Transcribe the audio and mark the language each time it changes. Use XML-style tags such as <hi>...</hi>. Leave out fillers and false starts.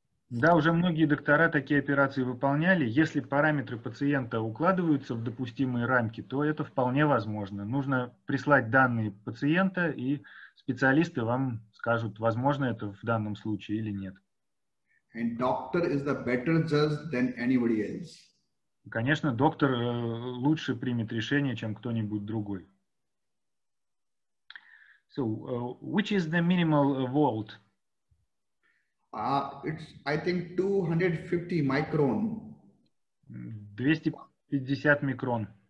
<ru>Да, уже многие доктора такие операции выполняли. Если параметры пациента укладываются в допустимые рамки, то это вполне возможно. Нужно прислать данные пациента, и специалисты вам скажут, возможно это в данном случае или нет.</ru> <en>And doctor is the better judge than anybody else.</en> <ru>Конечно, доктор лучше примет решение, чем кто-нибудь другой.</ru> <en>So, which is the minimal volt? It's, I think, 250 micron.</en> <ru>250 микрон.</ru>